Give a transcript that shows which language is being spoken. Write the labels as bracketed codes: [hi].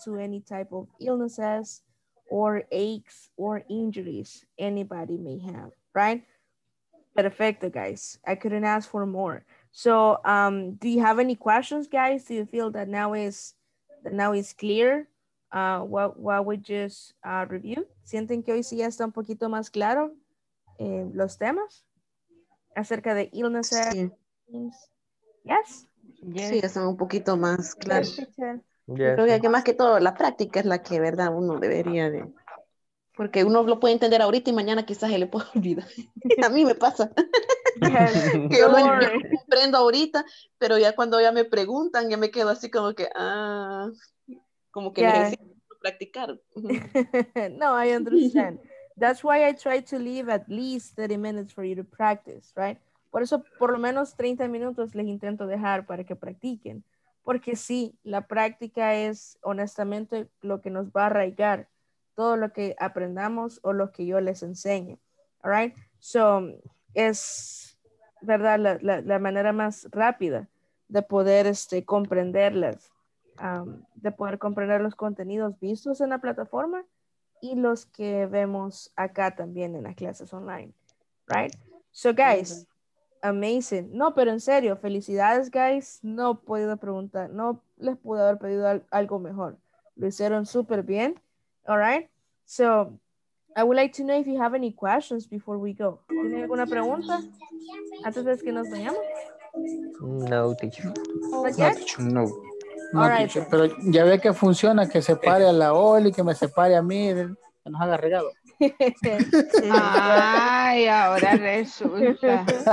[en] To any type of illnesses or aches or injuries anybody may have, right? Perfecto, guys. I couldn't ask for more. So, do you have any questions, guys? Do you feel that now is clear what we just reviewed? [es] ¿Sienten que hoy sí ya está un poquito más claro los temas acerca de illnesses? [en] Sí. Yes? Yes. [es] Sí, ya están un poquito más claros. Yes. Creo que más que todo la práctica es la que, verdad, uno debería de... Porque uno lo puede entender ahorita y mañana quizás se le puede olvidar. A mí me pasa. Yes, yo lo comprendo ahorita, pero ya cuando ya me preguntan, ya me quedo así como que, como que necesito practicar. [en] No, I understand. That's why I try to leave at least 30 minutes for you to practice, right? [es] Por eso, por lo menos 30 minutos les intento dejar para que practiquen. Porque sí, la práctica es honestamente lo que nos va a arraigar todo lo que aprendamos o lo que yo les enseñe, all right? So, es verdad la manera más rápida de poder comprenderlas, de poder comprender los contenidos vistos en la plataforma y los que vemos acá también en las clases online, right? So, guys, Amazing. No, pero en serio, felicidades, guys. No puedo preguntar, no les pude haber pedido algo mejor. Lo hicieron súper bien. All right. [en] So, I would like to know if you have any questions before we go. [es] ¿Tienes alguna pregunta antes de que nos vayamos? [en] No, teacher. [es] No. No, all right. Pero ya ve que funciona, que separe a la Oli, que me separe a mí, que nos haga regalo. Ay, ahora resulta.